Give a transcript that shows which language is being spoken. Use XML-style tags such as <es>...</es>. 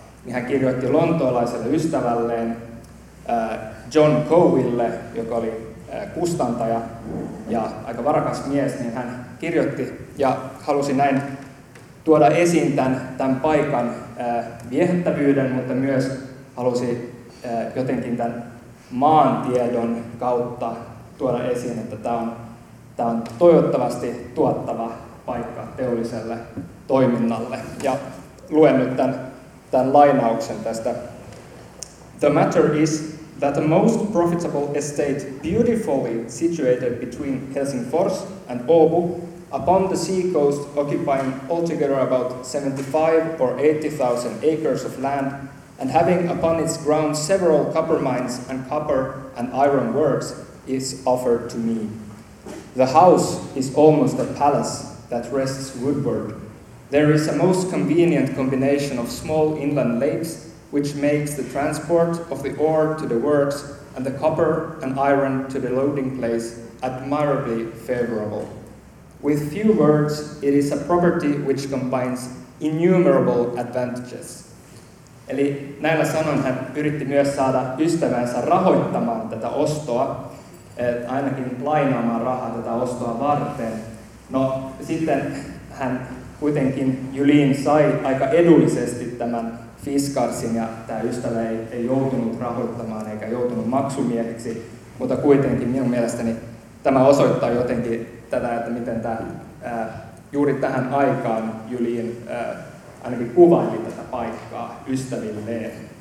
<fi>Niin hän kirjoitti lontoolaiselle ystävälleen John Coville, joka oli kustantaja ja aika varakas mies, niin hän kirjoitti ja halusi näin tuoda esiin tämän paikan viehättävyyden, mutta myös halusi jotenkin tämän maantiedon kautta tuoda esiin, että tämä on toivottavasti tuottava paikka teolliselle toiminnalle. Ja luen nyt tämän lainauksen tästä.</fi> <en>The matter is that the most profitable estate beautifully situated between Helsingfors and Åbo upon the sea coast occupying altogether about 75,000 or 80,000 acres of land and having upon its ground several copper mines and copper and iron works is offered to me. The house is almost a palace that rests woodward. There is a most convenient combination of small inland lakes which makes the transport of the ore to the works and the copper and iron to the loading place admirably favorable. With few words, it is a property which combines innumerable advantages.</en> <fi>Eli näillä sanoin hän yritti myös saada ystävänsä rahoittamaan tätä ostoa, ainakin lainaamaan rahaa tätä ostoa varten. No sitten hän kuitenkin, Julien, sai aika edullisesti tämän Fiskarsin ja tämä ystävä ei joutunut rahoittamaan eikä joutunut maksumieheksi, mutta kuitenkin minun mielestäni tämä osoittaa jotenkin tätä, että miten tämä juuri tähän aikaan Julien ainakin kuvaili tätä paikkaa ystävilleen.</fi>